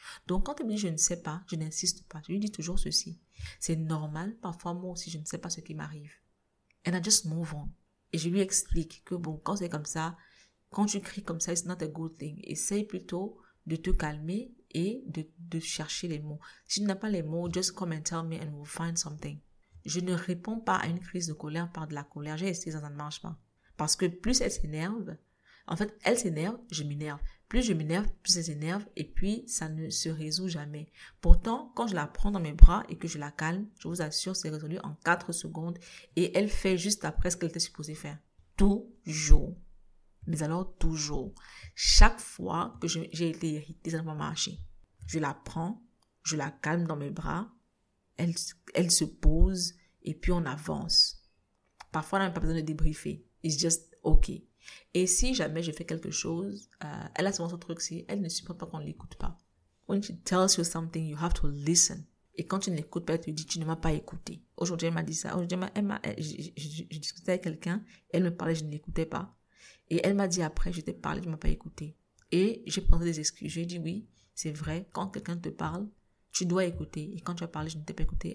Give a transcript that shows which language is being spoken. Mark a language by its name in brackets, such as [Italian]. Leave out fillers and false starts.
[French] Donc, quand elle me dit « je ne sais pas », je n'insiste pas. Je lui dis toujours ceci. C'est normal, parfois moi aussi, je ne sais pas ce qui m'arrive. [English] And I just move on. [French] Et je lui explique que bon, quand c'est comme ça, quand tu cries comme ça, [English] it's not a good thing. [French] Essaye plutôt de te calmer et de chercher les mots. Si tu n'as pas les mots, [English] just come and tell me and we'll find something. [French] Je ne réponds pas à une crise de colère par de la colère. J'ai essayé, ça ne marche pas. Parce que plus elle s'énerve, en fait, elle s'énerve, je m'énerve. Plus je m'énerve, plus elle s'énerve et puis ça ne se résout jamais. Pourtant, quand je la prends dans mes bras et que je la calme, je vous assure, c'est résolu en 4 secondes et elle fait juste après ce qu'elle était supposée faire. Toujours. Mais alors toujours. Chaque fois que j'ai été irritée, ça ne va pas marcher. Je la prends, je la calme dans mes bras, elle se pose et puis on avance. Parfois, elle n'a même pas besoin de débriefer. [English] It's just okay. [French] Et si jamais je fais quelque chose, elle a souvent ce truc, si elle ne supporte pas qu'on ne l'écoute pas. [English] When she tells you something, you have to listen. [French] Et quand tu ne l'écoutes pas, elle te dit, tu ne m'as pas écouté. Aujourd'hui, elle m'a dit ça. Aujourd'hui, je discutais avec quelqu'un, elle me parlait, je ne l'écoutais pas. Et elle m'a dit après, je t'ai parlé, tu ne m'as pas écouté. Et j'ai présenté des excuses. J'ai dit, oui, c'est vrai, quand quelqu'un te parle, tu dois écouter. Et quand tu as parlé, je ne t'ai pas écouté.